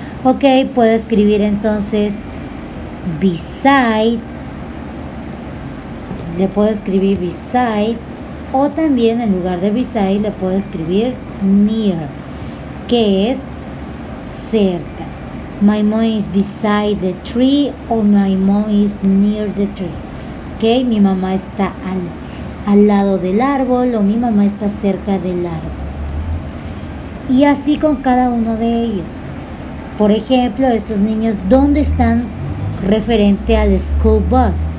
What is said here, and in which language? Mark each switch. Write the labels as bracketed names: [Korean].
[Spanish] Ok, puedo escribir entonces beside, le puedo escribir beside, o también en lugar de beside le puedo escribir near, que es cerca. [English] My mom is beside the tree, o my mom is near the tree. [Spanish] Okay, mi mamá está al lado del árbol, o mi mamá está cerca del árbol. Y así con cada uno de ellos. Por ejemplo, estos niños, ¿dónde están referente al school bus?